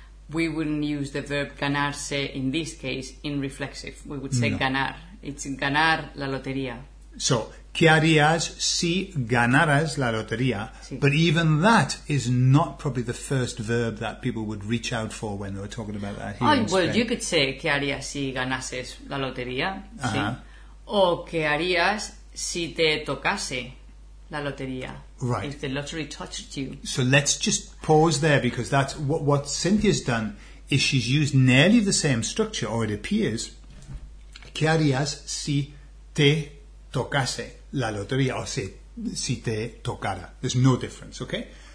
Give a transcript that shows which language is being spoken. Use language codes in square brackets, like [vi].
[en] We wouldn't use the verb ganarse in this case in reflexive. We would say ganar. It's [es] ganar la lotería. [en] So, [es] ¿qué harías si ganaras la lotería? Sí. [en] But even that is not probably the first verb that people would reach out for when they were talking about that here in Spain. Well, you could say [es] ¿qué harías si ganases la lotería? Uh-huh. Sí. O ¿qué harías si te tocase la lotería? [en] Right. If the lottery touched you. So let's just pause there, because that's what Cynthia's done is she's used nearly the same structure, or it appears. [es] ¿Qué harías si te tocase la lotería? O si te tocara. [en] There's no difference, okay?